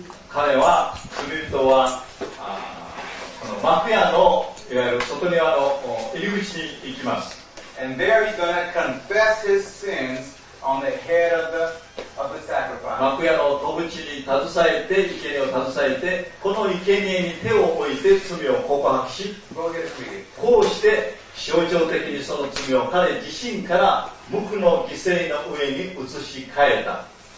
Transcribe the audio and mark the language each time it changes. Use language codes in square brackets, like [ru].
[ja] 彼は、罪人は、この幕屋のいわゆる外庭の入り口に行きます。 [en] And there he's going to confess his sins on the head of the [ja] 幕屋の戸口に携えて、生贄を携えて、この生贄に手を置いて罪を告白し、こうして象徴的にその罪を彼自身から無垢の犠牲の上に移し替えた。